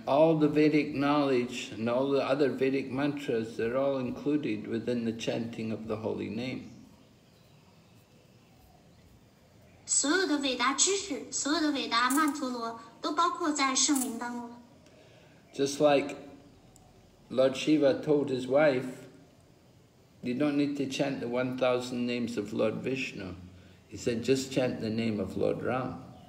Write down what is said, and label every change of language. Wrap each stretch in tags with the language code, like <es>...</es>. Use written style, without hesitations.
<en>all the Vedic knowledge and all the other Vedic mantras, they're all included within the chanting of the holy name.</en> <zh>所有的伟达知识，所有的伟达曼陀罗都包括在圣名当中。</zh> <en>Just like Lord Shiva told his wife, you don't need to chant the 1,000 names of Lord Vishnu. He said, just chant the name of Lord Ram.</en>